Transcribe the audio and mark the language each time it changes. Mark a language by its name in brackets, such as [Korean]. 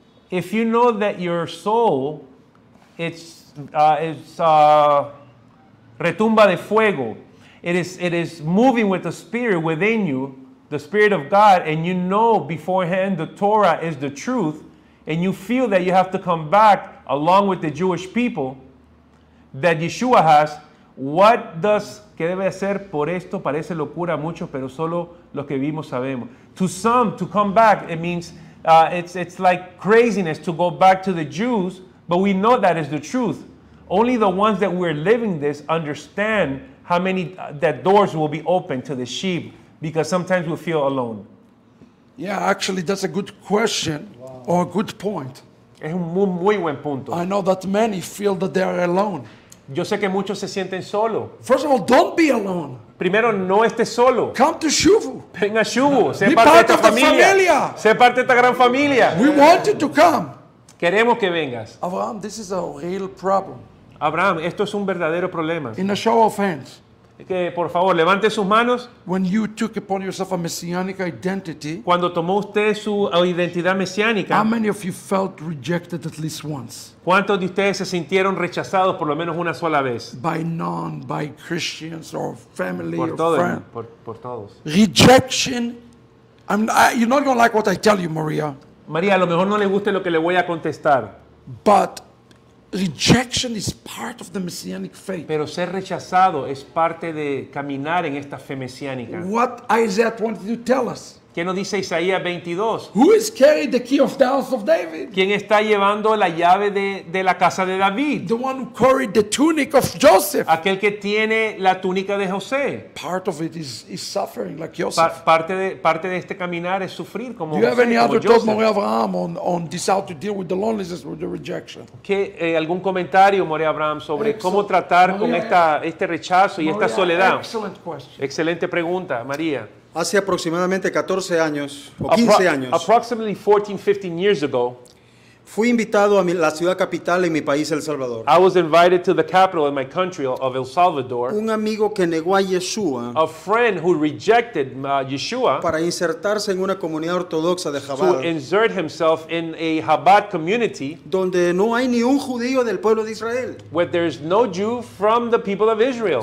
[English] If you know that your soul [Spanish] retumba de fuego, [English] it is moving with the spirit within you, the spirit of God, and you know beforehand the Torah is the truth, and you feel that you have to come back along with the Jewish people that Yeshua has, what does [Spanish] que debe hacer por esto? Parece locura a muchos, pero solo los que vivimos sabemos. [English] To some, to come back, it means it's like craziness to go back to the Jews, but we know that is the truth. Only the ones that we're living this understand how many that doors will be open to the sheep, because sometimes we feel alone. Yeah, actually, that's a good question. Wow. Or a good point. [Spanish] Es un muy, muy buen punto. [English] I know that many feel that they are alone. [Spanish] Yo sé que muchos se sienten solo. [English] First of all, don't be alone. [Spanish] Primero, no estés solo. [English] Come to Shuvu. [Spanish] Venga a Shuvu. [English] Be part of the familia. [Spanish] Sé parte de esta gran familia. [English] We want you to come. [Spanish] Queremos que vengas. [English] Abraham, this is a real problem. [Spanish] Abraham, esto es un verdadero problema. [English] In a show of hands. [Spanish] Que, por favor, levante sus manos. [English] When you took upon yourself a messianic identity. [Spanish] Cuando tomó usted su identidad mesiánica. [English] How many of you felt rejected at least once? [Spanish] ¿Cuántos de ustedes se sintieron rechazados por lo menos una sola vez? [English] By none, by Christians or family [Spanish] por todo, [English] or friend. [Spanish] Por todos. [English] Rejection. You're not going to like what I tell you, Maria. [Spanish] María, a lo mejor no le guste lo que le voy a contestar. [English] But rejection is part of the messianic faith. [Spanish] Pero ser rechazado es parte de caminar en esta fe mesiánica. [English] What Isaiah wanted to tell us? [Spanish] ¿Qué nos dice Isaías 22? [English] Who is carrying the key of the house of David? [Spanish] ¿Quién está llevando la llave de la casa de David? [English] The one who carried the tunic of Joseph. [Spanish] Aquel que tiene la túnica de José. [English] Part of it is suffering like Joseph. [Spanish] Parte de este caminar es sufrir como [English] José. Do you have any other thoughts, Moria Abraham, on this how to deal with the loneliness or the rejection? [Spanish] ¿Qué algún comentario, Moria Abraham, sobre cómo tratar con este rechazo y esta soledad? [English] Excellent question. [Spanish] Excelente pregunta, María. Hace aproximadamente 14 años o 15 años. [English] Approximately 14, 15 years ago, [Spanish] fui invitado a la ciudad capital en mi país, El Salvador. [English] I was invited to the capital in my country of El Salvador. [Spanish] Un amigo que negó a Yeshua. [English] A friend who rejected Yeshua. [Spanish] Para insertarse en una comunidad ortodoxa de Chabad. [English] To insert himself in a Chabad community. [Spanish] Donde no hay ni un judío del pueblo de Israel. [English] Where there is no Jew from the people of Israel.